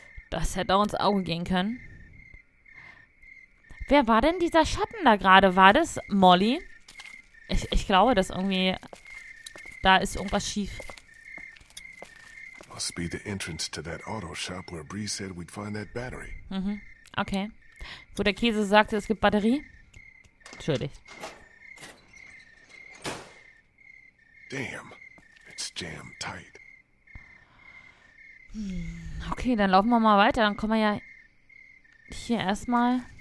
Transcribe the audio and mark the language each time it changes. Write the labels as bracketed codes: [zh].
[de] Das hätte auch ins Auge gehen können. Wer war denn dieser Schatten da gerade? War das Molly? Ich glaube, dass irgendwie... Da ist irgendwas schief. [en] Must be the entrance to that auto shop where Bree said we'd find that battery. Mhm, okay. [de] Wo der Käse sagte, es gibt Batterie. Entschuldigt. [en] Damn, it's jammed tight. [de] Okay, dann laufen wir mal weiter. Dann kommen wir ja hier erstmal.